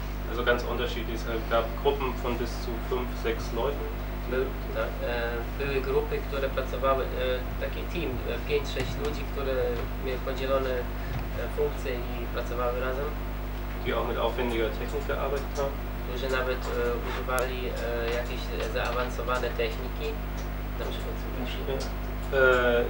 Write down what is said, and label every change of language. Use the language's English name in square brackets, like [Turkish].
[German] Also ganz unterschiedlich, es gab Gruppen von bis zu 5-6 Leuten. [Polish] Były grupy, które pracowały, taki team, 5-6 ludzi, które miały podzielone funkcje i pracowały razem. [German] Die auch mit aufwendiger Technik gearbeitet haben. [Polish] Którzy nawet używali jakieś zaawansowane techniki, na przykład w Kassel.